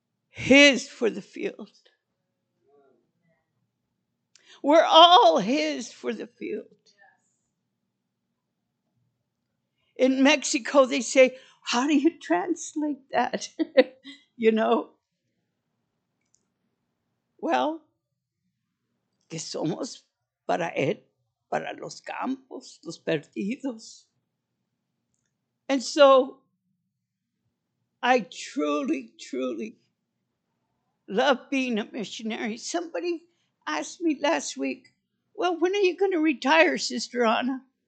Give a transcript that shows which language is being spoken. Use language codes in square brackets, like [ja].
[en] His for the field. We're all his for the field. In Mexico, they say, how do you translate that? You know? [es] Well, que somos para él, para los campos, los perdidos. [en] And so I truly, truly love being a missionary. Somebody asked me last week, well, when are you going to retire, Sister Anna?